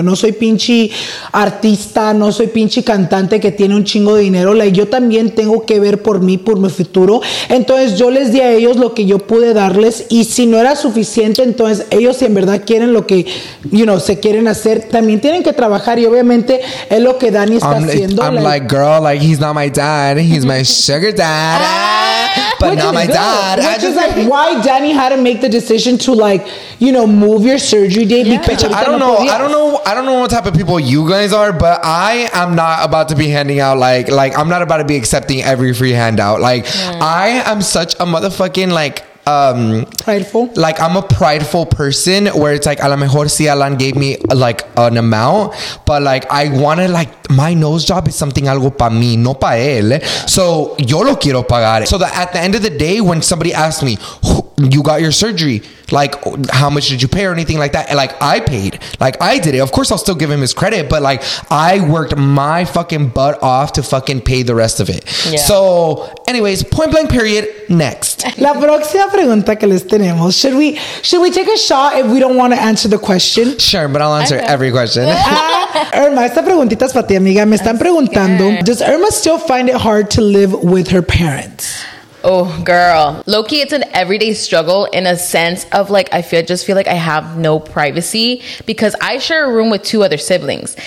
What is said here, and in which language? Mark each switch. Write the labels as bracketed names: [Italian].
[Spanish] No soy pinche artista, no soy pinche cantante que tiene un chingo de dinero. Like, yo también tengo que ver por mí, por mi futuro. Entonces, yo les di a ellos lo que yo pude darles, y si no era suficiente, entonces ellos, si en verdad quieren lo que, you know, se quieren hacer, también tienen que trabajar, y obviamente es lo que Dani está haciendo. [English] I'm like, girl, like, he's not my dad, he's my sugar dad, but which not my good. Dad. I just like, why Danny had to make the decision to, like, you know, move your surgery date? Yeah. Bitch, I don't know. I don't know. I don't know what type of people you guys are, but I am not about to be handing out like I'm not about to be accepting every free handout. Like, I am such a motherfucking, like, prideful. Like, I'm a prideful person where it's like, [Spanish] a lo mejor si [English] Alan gave me like an amount, but like, I wanted, like, my nose job is something [Spanish] algo pa mí, no pa él. [English] So [Spanish] yo lo quiero pagar. [English] So that at the end of the day, when somebody asks me, you got your surgery, like, how much did you pay or anything like that? Like, I paid. Like, I did it. Of course, I'll still give him his credit, but like, I worked my fucking butt off to fucking pay the rest of it. Yeah. So, anyways, point blank period, next. [Spanish] La próxima pregunta que les tenemos. [English] Should we take a shot if we don't want to answer the question? Sure, but I'll answer every question. [Spanish] Irma, esta preguntita es para ti, amiga. Me están preguntando, [English] does Irma still find it hard to live with her parents? Oh, girl. Low-key, it's an everyday struggle in a sense of, like, I feel like I have no privacy because I share a room with two other siblings.